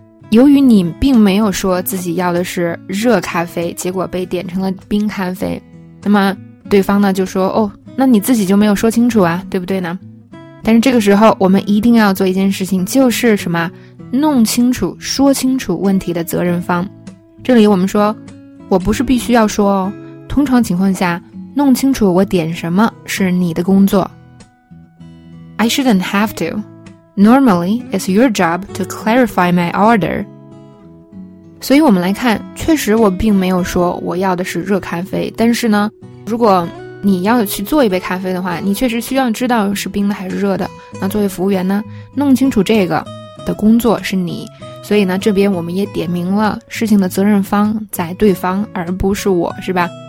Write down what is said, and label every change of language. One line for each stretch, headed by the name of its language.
Chinese: 由于你并没有说自己要的是热咖啡，结果被点成了冰咖啡，那么对方呢就说，哦，那你自己就没有说清楚啊，对不对呢？但是这个时候我们一定要做一件事情，就是什么，弄清楚，说清楚问题的责任方。这里我们说，我不是必须要说哦，通常情况下弄清楚我点什么是你的工作。
English: I shouldn't have toNormally, it's your job to clarify my order.
Chinese: 所以我们来看，确实我并没有说我要的是热咖啡，但是呢，如果你要去做一杯咖啡的话，你确实需要知道是冰的还是热的。那作为服务员呢，弄清楚这个的工作是你。所以呢，这边我们也点明了事情的责任方在对方，而不是我，是吧？